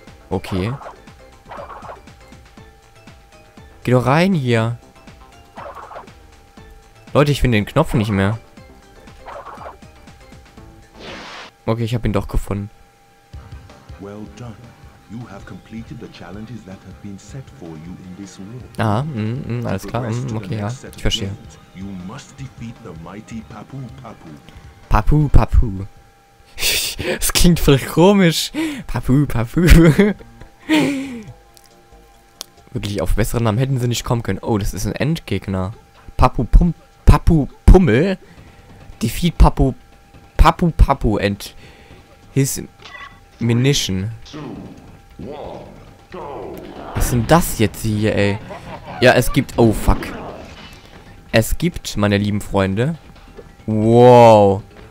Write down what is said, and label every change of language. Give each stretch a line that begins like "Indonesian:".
German: Okay. Geh doch rein hier. Leute, ich finde den Knopf nicht mehr. Okay, ich habe ihn doch gefunden.
English: Well done. You have completed the challenges that have been set for you in this world.
German: Alles klar. Okay, ja. Ich verstehe.
English: You must defeat the mighty Papu Papu. Papu Papu.
German: Das klingt voll komisch. Papu Papu. Wirklich, auf besseren Namen hätten sie nicht kommen können. Oh, das ist ein Endgegner.
English: Papu Pummel. Defeat Papu. Papu Papu and his Munition.
German: Was sind das jetzt hier, ey? Ja, es gibt. Oh, fuck. Es gibt, meine lieben Freunde. Wow.